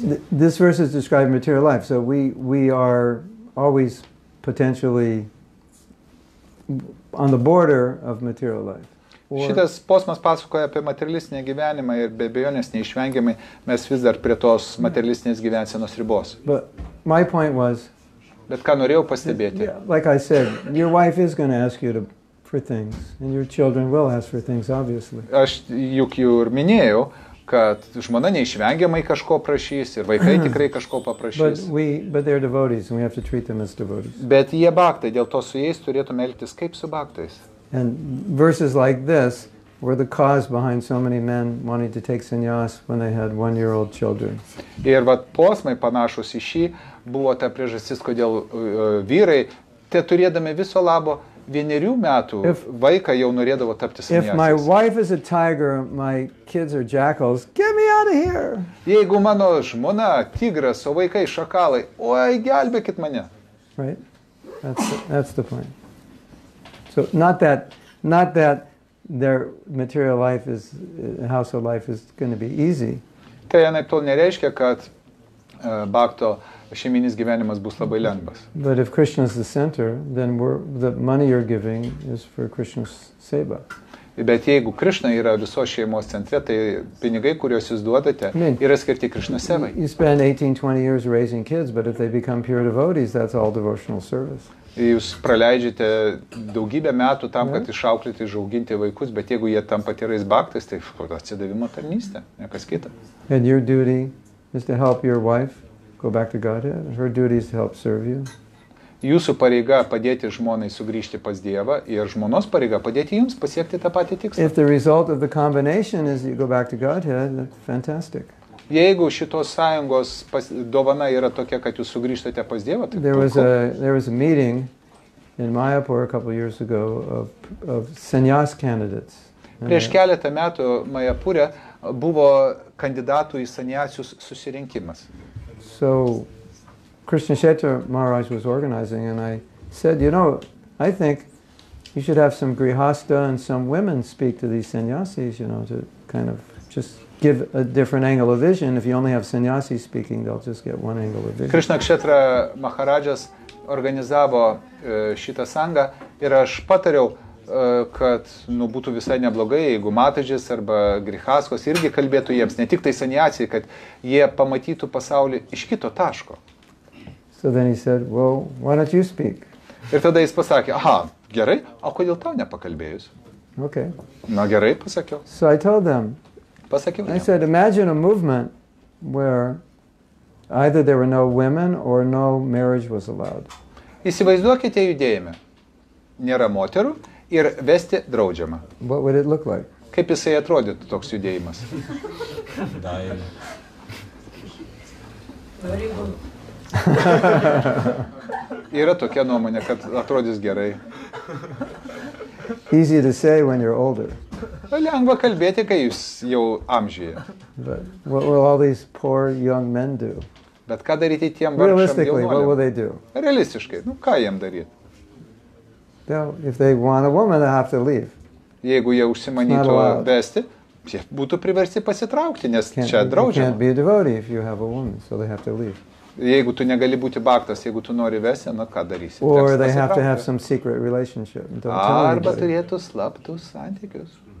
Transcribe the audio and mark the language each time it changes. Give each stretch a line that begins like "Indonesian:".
English: This verse is describing material life, so we are always potentially on the border of material life.
Lithuanian: Šitas posmas pasakoja apie materialistinį gyvenimą ir be abejonės neišvengiamai mes vis dar prie tos materialistinės gyvensenos ribos.
English: But my point was,
Lithuanian: bet ką norėjau pastebėti.
English: Like I said, your wife is going to ask you for things, and your children will ask for things, obviously.
Lithuanian: Aš juk jau ir minėjau, kad žmona neišvengiamai kažko prašys ir vaikai tikrai kažko paprašys.
English: But they are devotees and we have to treat them as devotees.
Lithuanian: Bet jie baktai, dėl to su jais turėtume elgtis kaip su baktais.
English: And verses like this were the cause behind so many men wanting to take sannyas when they had 1 year old children.
Lithuanian: Ir vat posmai panašus į šį buvo ta priežastis, kodėl vyrai te turėdami viso labo vienerių metų vaiką jau norėdavo tapti sanjasis.
English: If my wife is a tiger, my kids are jackals, get me out of here.
Lithuanian: Jeigu mano žmona tigras, o vaikai šakalai, oi, gelbėkit mane.
English: Right? That's the point. So not that their material life is household life is going to be easy.
Lithuanian: Tai anaip tol nereiškia, kad bakto šeiminis gyvenimas bus labai lengvas.
English: But if Krishna is the center, then the money you're giving is for Krishna's seva.
Lithuanian: Bet jeigu Krishna yra visos šeimos centre, tai pinigai, kuriuos jūs duodate, yra skirti Krishna sevai.
English: You spend 18-20 years raising kids, but if they become pure devotees, that's all devotional service.
Lithuanian: Jūs praleidžiate daugybę metų tam, kad išauklėti, išauginti vaikus, bet jeigu jie tam patirais baktais, tai atsidavimo tarnystė, nekas kita.
English: And your duty is to help your wife go back to Godhead. Her duty is to help serve you.
Lithuanian: Jūsų pareiga padėti žmonai sugrįžti pas Dievą ir žmonos pareiga padėti jums pasiekti tą patį tikslą.
English: If the result of the combination is you go back to Godhead, that's fantastic.
Lithuanian: Jeigu šitos sąjungos dovana yra tokia, kad jūs sugrįžtate pas Dievą, tai
English: there was a meeting in Mayapur a couple years ago of sannyas candidates.
Lithuanian: Prieš keletą metų Mayapure buvo kandidatų į sannyasius susirinkimas.
English: So Krishna Shetra Maharaj was organizing and I said, you know, I think You should have some grihastha and some women speak to these sannyasis, you know, to kind of just give a different angle of vision. If you only have sannyasis speaking, they'll just get one angle of vision.
Lithuanian: Krishna Kshetra Maharajas organizavo šitą sangą ir aš patariau, kad nu, būtų visai neblogai, jeigu matadžis arba grihaskos irgi kalbėtų jiems, ne tik tai sannyasis, kad jie pamatytų pasaulį iš kito taško.
English: So then he said, well, why don't you speak?
Lithuanian: Ir tada jis pasakė, aha, gerai, o kodėl tau nepakalbėjus?
English: Okay.
Lithuanian: Na gerai, pasakiau.
English: So I told them,
Lithuanian: pasakiau jiems.
English: I said, imagine a movement where either there were no women or no marriage was allowed.
Lithuanian: Įsivaizduokite judėjime. Nėra moterų ir vesti draudžiama.
English: What would it look like?
Lithuanian: Kaip jisai atrodytų toks judėjimas? Yra tokia nuomonė, kad atrodys gerai.
English: Easy to say when you're older.
Lithuanian: Lengva kalbėti, kai jūs jau amžyje.
English: But what will all these poor young men do?
Lithuanian: Bet ką daryti tiem vargšam jaunuoliam? Realistiškai, nu ką jiem daryti?
English: Now, if they want a woman, they have to leave.
Lithuanian: Jeigu jie užsimanytų vesti, jie būtų priversti pasitraukti, nes čia draudžiama.
English: You can't be a devotee if you have a woman, so they have to leave.
Lithuanian: Jeigu tu negali būti baktas, jeigu tu nori vesti, na ką darysi?
English: Or they have to have some secret relationship. Don't tell anybody.
Lithuanian: Arba turėtų slaptus santykius.